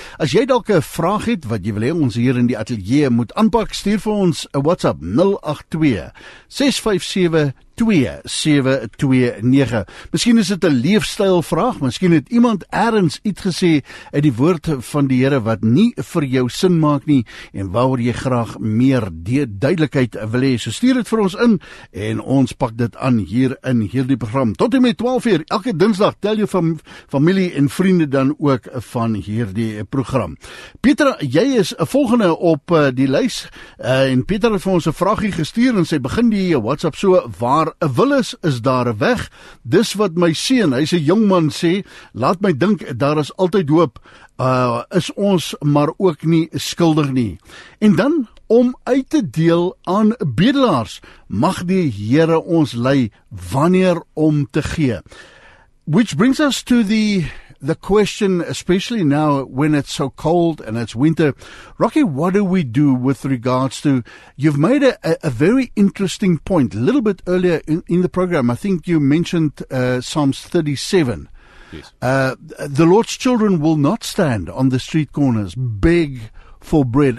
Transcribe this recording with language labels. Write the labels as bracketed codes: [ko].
[af] As jy dalk 'n vraag het wat jy wil hê ons hier in die atelier moet aanpak, stuur vir ons 'n WhatsApp 082-657-2729. Miskien is dit 'n leefstylvraag, miskien het iemand ergens iets gesê uit die woord van die Here wat nie vir jou sin maak nie en waaroor jy graag meer duidelikheid wil hê. So stuur dit vir ons in en ons pak dit aan hier in hierdie program. Tot en met 12 uur elke Dinsdag tel jou familie en vriende dan ook van hierdie program. Petra, jy is volgende op die lys en Petra het vir ons 'n vragie gestuur en sy begin die WhatsApp so: waar 'n wil is daar 'n weg? Dis wat my seun, hy's 'n jong man, sê, laat my dink, daar is altyd hoop, is ons maar ook nie skuldig nie. En dan, om uit te deel aan bedelaars, mag die Here ons lei wanneer om te gee. [en] Which brings us to the the question, especially now when it's so cold and it's winter, Rocky, what do we do with regards to, you've made a very interesting point a little bit earlier in the program. I think you mentioned Psalms 37. Yes. The Lord's children will not stand on the street corners, beg for bread.